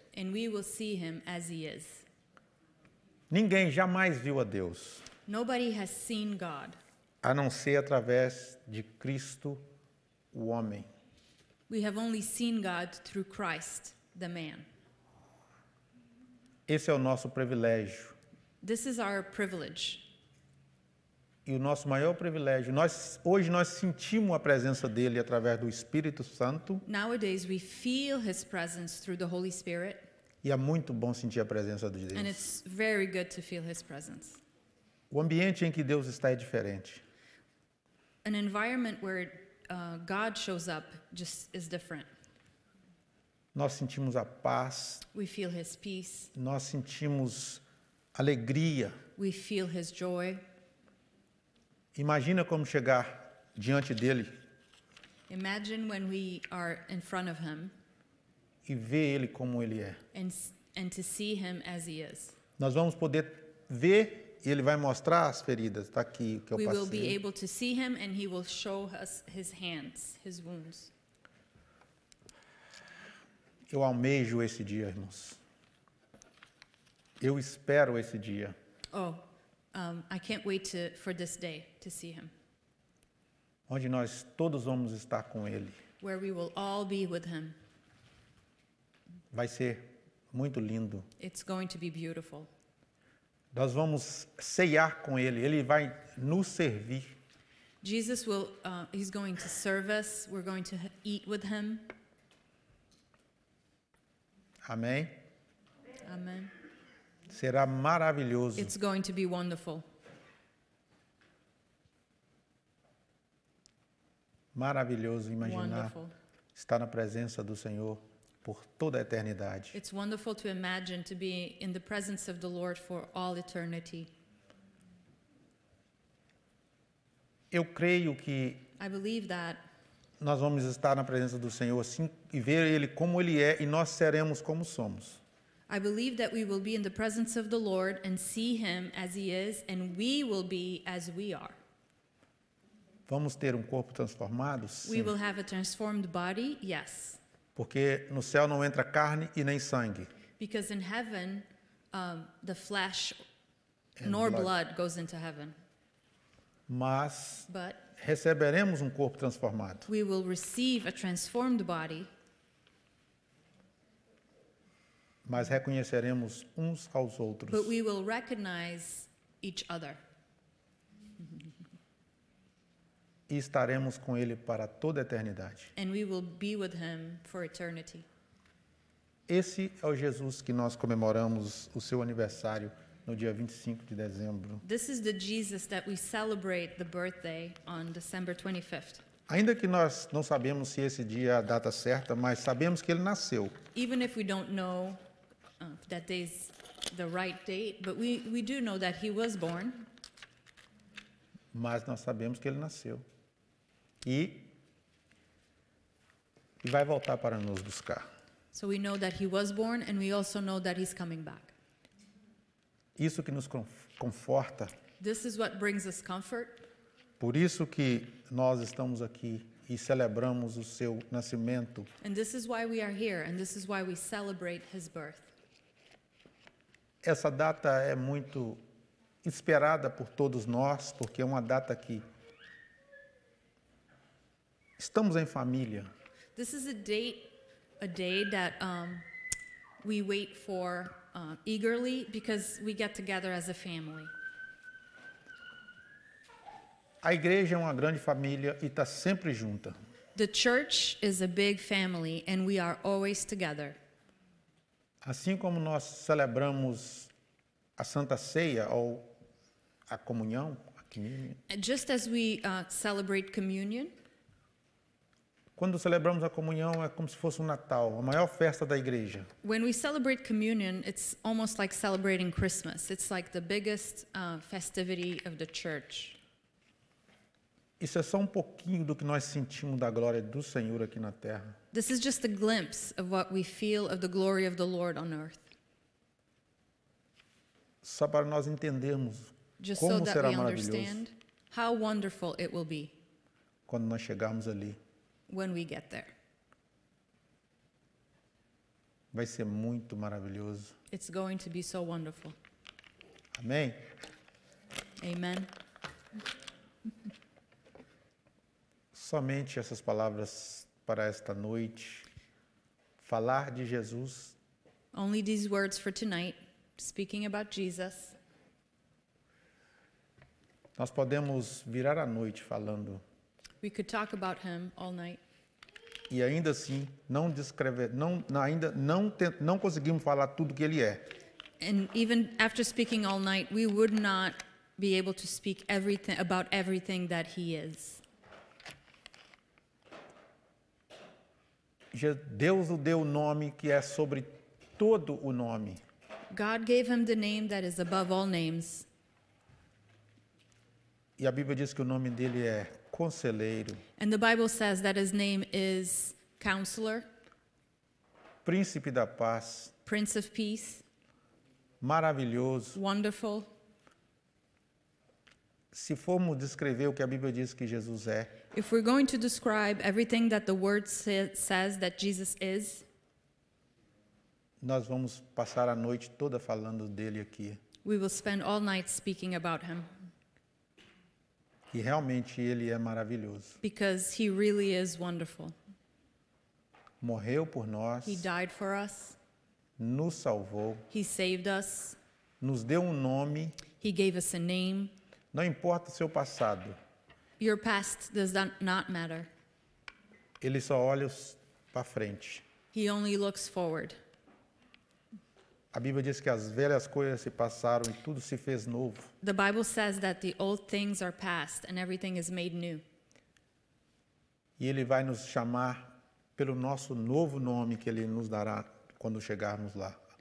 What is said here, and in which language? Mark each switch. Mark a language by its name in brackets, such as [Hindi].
[English] And we will see him as he is. [Portuguese] Ninguém jamais viu a Deus. [English] Nobody has seen God. [Portuguese] A não ser através de Cristo, o homem. [English] We have only seen God through Christ, the man. [Portuguese] Esse é o nosso privilégio. [English] This is our privilege. [Portuguese] E o nosso maior privilégio, hoje nós sentimos a presença dele através do Espírito Santo. [English] Nowadays we feel his presence through the Holy Spirit. [Portuguese] E é muito bom sentir a presença de Deus. [English] And it's very good to feel his presence. [Portuguese] O ambiente em que Deus está é diferente. [English] An environment where God shows up just is different. [Portuguese] Nós sentimos a paz. [English] We feel his peace. [Portuguese] Nós sentimos alegria. [English] We feel his joy. [Portuguese] Imagina como chegar diante dele. [English] Imagine when we are in front of him. [Portuguese] E ver ele como ele é. [English] And to see him as he is. [Portuguese] Nós vamos poder ver E ele vai mostrar as feridas, está aqui o que eu passei. [English] We will be able to see him and he will show us his hands, his wounds. [Portuguese] Eu almejo esse dia, irmãos. Eu espero esse dia. [English] Oh, I can't wait to, for this day to see him. [Portuguese] Onde nós todos vamos estar com ele. [English] Where we will all be with him. [Portuguese] Vai ser muito lindo. [English] It's going to be beautiful. [Portuguese] Nós vamos ceiar com ele. Ele vai nos servir. [English] Jesus will, he's going to serve us. We're going to eat with him. [Portuguese] Amém. Amém. Será maravilhoso. [English] It's going to be wonderful. [Portuguese] Maravilhoso imaginar [English] wonderful. [Portuguese] Estar na presença do Senhor por toda a eternidade. [English] It's wonderful to imagine to be in the presence of the Lord for all eternity. [Portuguese] Eu creio que [English] I believe that [Portuguese] nós vamos estar na presença do Senhor assim e ver ele como ele é e nós seremos como somos. [English] I believe that we will be in the presence of the Lord and see him as he is and we will be as we are. [Portuguese] Vamos ter um corpo transformado? Sim. [English] We will have a transformed body? Yes. [Portuguese] Porque no céu não entra carne e nem sangue. [English] Because in heaven, the flesh nor blood goes into heaven. [Portuguese] Mas [English] but [Portuguese] receberemos um corpo transformado. [English] We will receive a transformed body. [Portuguese] Mas reconheceremos uns aos outros. [English] But we will recognize each other. [Portuguese] E estaremos com ele para toda a eternidade. [English] And we will be with him for eternity. [Portuguese] Esse é o Jesus que nós comemoramos o seu aniversário no dia 25 de dezembro. [English] This is the Jesus that we celebrate the birthday on December 25th. [Portuguese] Ainda que nós não sabemos se esse dia é a data certa, mas sabemos que ele nasceu. [English] Even if we don't know that day's the right date, but we do know that he was born. [Portuguese] Mas nós sabemos que ele nasceu. E vai voltar para nos buscar. [English] So we know that he was born and we also know that he's coming back. [Portuguese] Isso que nos conforta. [English] This is what brings us comfort. [Portuguese] Por isso que nós estamos aqui e celebramos o seu nascimento. [English] And this is why we are here and this is why we celebrate his birth. [Portuguese] Essa data é muito esperada por todos nós, porque é uma data que estamos em família. [English] This is a day that we wait for eagerly because we get together as a family. [Portuguese] A igreja é uma grande família e está sempre junta. [English] The church is a big family and we are always together. [Portuguese] Assim como nós celebramos a Santa Ceia ou a comunhão, a comunhão. [English] Just as we celebrate communion. [Portuguese] Quando celebramos a comunhão é como se fosse um Natal, a maior festa da igreja. [English] When we celebrate communion, it's almost like celebrating Christmas. It's like the biggest festivity of the church. [Portuguese] Isso é só um pouquinho do que nós sentimos da glória do Senhor aqui na terra. [English] This is just a glimpse of what we feel of the glory of the Lord on earth. [Portuguese] Só para nós entendermos [English] just [Portuguese] como [English] so [Portuguese] será maravilhoso. [English] How wonderful it will be. [Portuguese] Quando nós chegarmos ali. [English] When we get there. [Portuguese] Vai ser muito maravilhoso. [English] It's going to be so wonderful. [Portuguese] Amém. [English] Amen. [Portuguese] Somente essas palavras para esta noite. Falar de Jesus. [English] Only these words for tonight, speaking about Jesus. [Portuguese] Nós podemos virar a noite falando. [English] We could talk about him all night. [Portuguese] E ainda assim, não descrever, não conseguimos falar tudo que ele é. [English] And even after speaking all night, we would not be able to speak everything about everything that he is. [Portuguese] Deus o deu o nome que é sobre todo o nome. [English] God gave him the name that is above all names. [Portuguese] E a Bíblia diz que o nome dele é Conselheiro. [English] And the Bible says that his name is Counselor. [Portuguese] Príncipe da Paz. [English] Prince of Peace. [Portuguese] Maravilhoso. [English] Wonderful. [Portuguese] Se formos descrever o que a Bíblia diz que Jesus é, [English] if we're going to describe everything that the word says that Jesus is, [Portuguese] nós vamos passar a noite toda falando dele aqui. [English] We will spend all night speaking about him. [Portuguese] E realmente ele é maravilhoso. [English] Because he really is wonderful. [Portuguese] Morreu por nós. [English] He died for us. [Portuguese] Nos salvou. [English] He saved us. [Portuguese] Nos deu um nome. [English] He gave us a name. [Portuguese] Não importa o seu passado. [English] Your past does not matter. [Portuguese] Ele só olha para frente. [English] He only looks forward. [Portuguese] A Bíblia diz que as velhas coisas se passaram e tudo se fez novo. [English] The Bible says that the old things are past and everything is made new. [Portuguese] E ele vai nos chamar pelo nosso novo nome que ele nos dará quando chegarmos lá.